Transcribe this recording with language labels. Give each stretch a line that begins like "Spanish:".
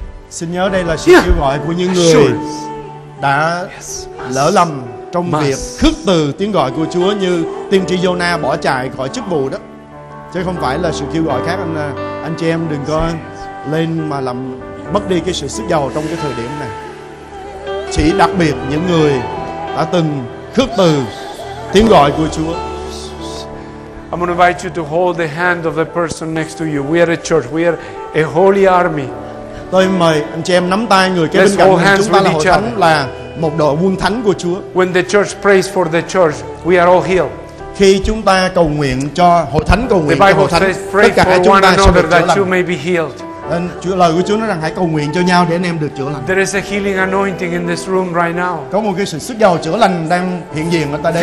Vietnamese: Xin nhớ đây là sự kêu gọi của những người đã lỡ lầm trong việc khước từ tiếng gọi của Chúa, như tiên tri Jonah bỏ chạy khỏi chức vụ đó, chứ không phải là sự kêu gọi khác. Anh chị em đừng có lên mà làm mất đi cái sự sức dầu trong cái thời điểm này. Chỉ đặc biệt những người đã từng khước từ tiếng gọi của Chúa.
English: I'm going to invite you to hold the hand of the person next to you. We are a church. We are a holy army.
Vietnamese: Tôi mời anh chị em nắm tay người kế bên cạnh mình. Chúng ta là hội thánh, là một đội quân thánh của Chúa.
English: When the church prays for the church, we are all healed.
Vietnamese: Khi chúng ta cầu nguyện cho hội thánh, cầu nguyện cho hội thánh, tất cả chúng ta sẽ được chữa lành. Chúa, lời của Chúa nói rằng hãy cầu nguyện cho nhau để anh em được chữa lành.
English: There is a healing anointing in this room right now.
Vietnamese: Có một cái sự sức dầu chữa lành đang hiện diện ở tại đây.